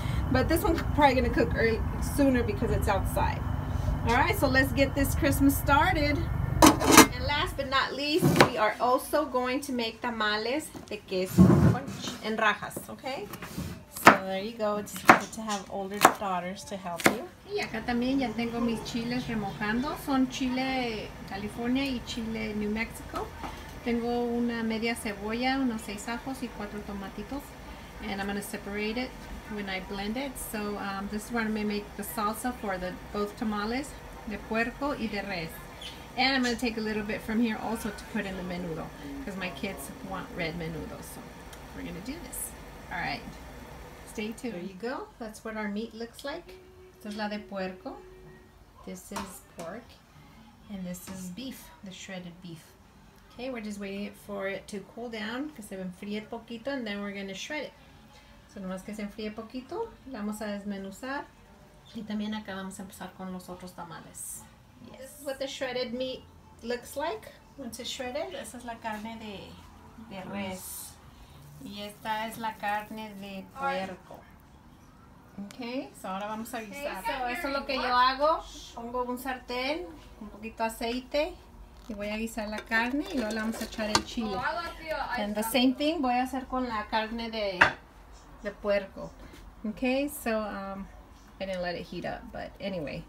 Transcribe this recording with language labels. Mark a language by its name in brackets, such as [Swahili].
[English] But this one probably gonna cook sooner because it's outside. All right, so let's get this Christmas started. And last but not least, we are also going to make tamales de queso en rajas, okay? So there you go. It's good to have older daughters to help you. [Spanish] Y acá también ya tengo mis chiles remojando. Son chile California y chile New Mexico. Tengo una media cebolla, unos 6 ajos y 4 tomatitos. [English] And I'm going to separate it when I blend it. So this is where I'm going to make the salsa for the both tamales, [Spanish] de puerco y de res. [English] And I'm going to take a little bit from here also to put in the menudo. Because my kids want red menudo. So we're going to do this. All right. Stay tuned. There you go. That's what our meat looks like. This is [Spanish] la de puerco. [English] This is pork. And this is beef, the shredded beef. Okay, we're just waiting for it to cool down because [Spanish] se enfríe poquito [English] and then we're going to shred it. [Spanish] So nomás que se enfríe poquito, la vamos a desmenuzar. Y también acá vamos a empezar con los otros tamales. [English] Yes. This is what the shredded meat looks like once it's shredded. [Spanish] Esa es la carne de res. Y esta es la carne de puerco. [English] Okay, [Spanish] so ahora vamos a guisar. So, eso es lo que yo hago. Pongo un sartén, un poquito de aceite. Y voy a guisar la carne y luego le vamos a echar el chile. [English] And the same thing [Spanish] voy a hacer con la carne de puerco. [English] Okay, so I didn't let it heat up, but anyway.